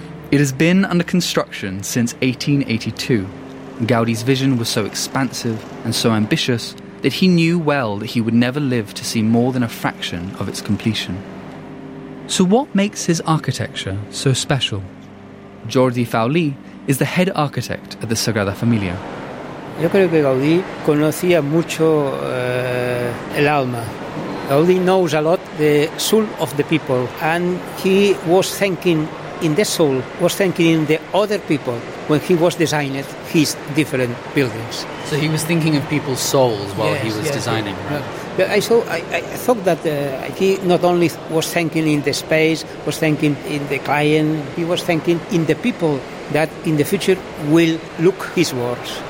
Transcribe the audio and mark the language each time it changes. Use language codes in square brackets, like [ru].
[en] It has been under construction since 1882. Gaudi's vision was so expansive and so ambitious that he knew well that he would never live to see more than a fraction of its completion. So what makes his architecture so special? Jordi Faulí is the head architect at the Sagrada Familia. [es] Yo creo que Gaudí conocía mucho el alma. [en] Gaudí knows a lot the soul of the people, and he was thinking in the soul, was thinking in the other people when he was designing his different buildings. So he was thinking of people's souls while designing, right? I thought that he not only was thinking in the space, was thinking in the client, he was thinking in the people that in the future will look his works.